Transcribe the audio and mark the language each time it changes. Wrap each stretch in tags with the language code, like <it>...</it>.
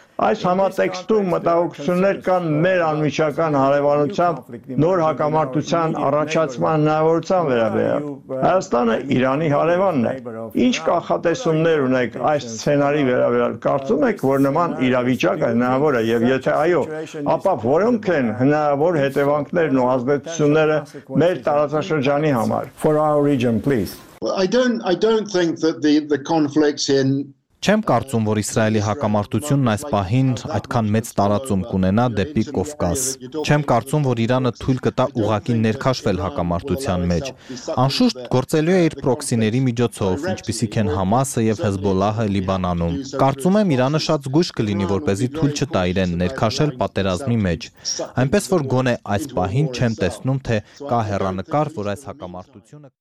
<hy>Այս համատեքստում մտահոգություններ կան մեր անմիջական հարևանությամբ նոր հակամարտության առաջացման հնարավորության վերաբերյալ։ Հայաստանը Իրանի հարևանն է։ Ինչ կանխատեսումներ ունեք այս սցենարի վերաբերյալ։ Կարծում եք, որ նման իրավիճակը հնարավոր է, եւ եթե այո, ապա որոնք են հնարավոր հետևանքներն ու ազդեցությունները մեր տարածաշրջանի համար։</hy> <en>For our region, please. I don't think that the conflicts in</en> <hy>Չեմ կարծում, որ Իսրայելի հակամարտությունն այս պահին այդքան մեծ տարածում կունենա դեպի Կովկաս։ Չեմ կարծում, որ Իրանը թույլ կտա ուղղակի ներքաշվել հակամարտության մեջ։ Անշուշտ գործելու է իր պրոքսիների միջոցով, ինչպիսիք են Համասը եւ Հեզբոլահը Լիբանանում։ Կարծում եմ, Իրանը շատ զգույշ կլինի, որպեսզի թույլ չտա իրեն ներքաշել պատերազմի մեջ։ Այնպես որ գոնե այս պահին չեմ տեսնում, թե կա հեռանկար, որ այս հակամարտությունը</hy>